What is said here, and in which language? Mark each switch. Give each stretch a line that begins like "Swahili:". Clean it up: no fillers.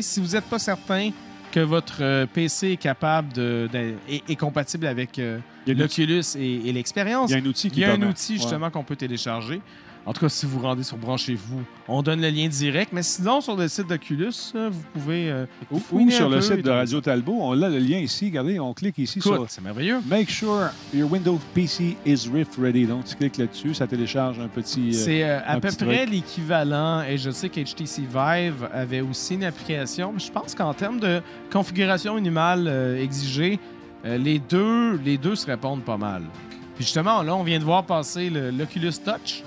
French: Si vous n'êtes pas certain que votre PC est capable est compatible avec l'Oculus et l'expérience. Il y a un outil qu'on peut télécharger. En tout cas, si vous rendez sur Branchez-vous, on donne le lien direct. Mais sinon, sur le site d'Oculus, vous pouvez Ou sur le site de Radio Talbot, on a le lien ici. Regardez, on clique ici. Écoute, c'est merveilleux.
English: Make sure your Windows PC is Rift ready.
French: Donc, tu cliques là-dessus, ça télécharge un petit C'est à peu près l'équivalent. Et je sais qu'HTC Vive avait aussi une application. Mais je pense qu'en termes de configuration minimale exigée, les deux se répondent pas mal. Puis justement, là, on vient de voir passer l'Oculus Touch.